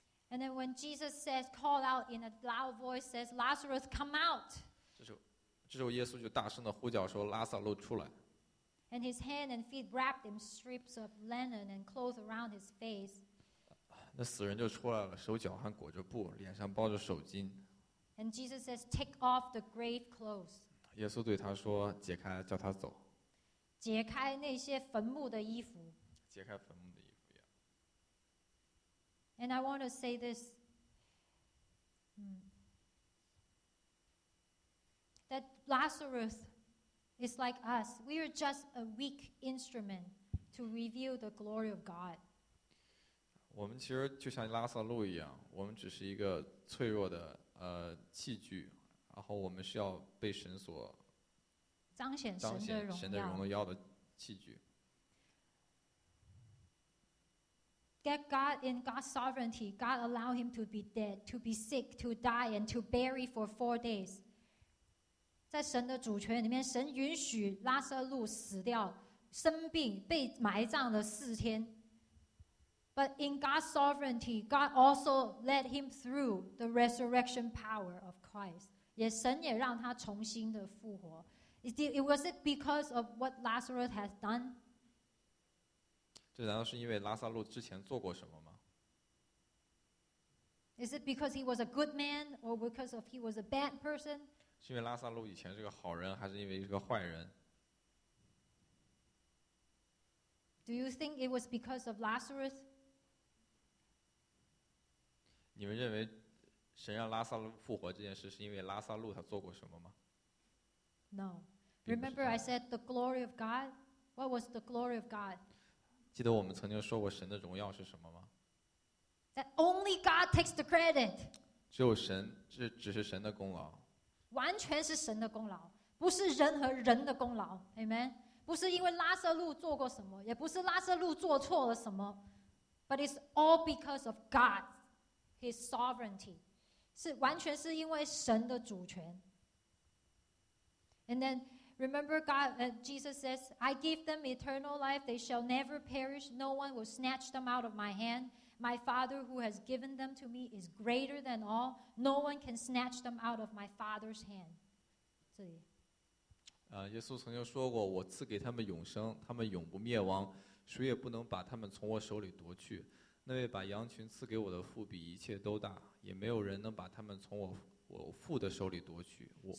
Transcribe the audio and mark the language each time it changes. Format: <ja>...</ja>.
<en>And then when Jesus says, call out in a loud voice, says, Lazarus, come out.</en> <zh>这时候耶稣就大声地呼叫说，拉萨路出来。</zh> <en>And his hand and feet wrapped in strips of linen and clothes around his face.</en> <zh>那死人就出来了，手脚还裹着布，脸上包着手巾。</zh> <en>And Jesus says, take off the grave clothes.</en> <zh>耶稣对他说，解开，叫他走。解开那些坟墓的衣服。解开坟墓的衣服。</zh> <en>And I want to say this. That Lazarus is like us. We are just a weak instrument to reveal the glory of God.</en> <zh>我们其实就像拉萨路一样，我们只是一个脆弱的器具，然后我们是要被神所彰显神的荣耀的器具。</zh> <en>That God, in God's sovereignty, God allowed him to be dead, to be sick, to die, and to bury for 4 days.</en> <zh>在神的主权里面，神允许拉萨路死掉，生病，被埋葬了4天。</zh> <en>But in God's sovereignty, God also led him through the resurrection power of Christ.</en> <zh>也神也让他重新的复活。</zh> <en>Was it because of what Lazarus has done?</en> <zh>这难道是因为拉萨路之前做过什么吗？</zh> <en>Is it because he was a good man or because of he was a bad person?</en> <zh>是因为拉萨路以前是个好人还是因为是个坏人？</zh> <en>Do you think it was because of Lazarus?</en> <zh>你们认为神让拉萨路复活这件事是因为拉萨路他做过什么吗？</zh> <en>No. Remember I said the glory of God? What was the glory of God?</en> <zh>记得我们曾经说过神的荣耀是什么吗？</zh> <en>That only God takes the credit.</en> <zh>只有神，这只是神的功劳。完全是神的功劳，不是任何人的功劳。</zh> <en>Amen.</en> <zh>不是因为拉萨路做过什么，也不是拉萨路做错了什么。</zh> <en>But it's all because of God, His sovereignty.</en> <zh>是完全是因为神的主权。</zh> <en>And then. Remember God, Jesus says, I give them eternal life. They shall never perish. No one will snatch them out of my hand. My Father who has given them to me is greater than all. No one can snatch them out of my Father's hand.</en> <zh>这里。耶稣曾经说过，我赐给他们永生，他们永不灭亡，谁也不能把他们从我手里夺去。那位把羊群赐给我的父比一切都大，也没有人能把他们从我父的手里夺去。</zh>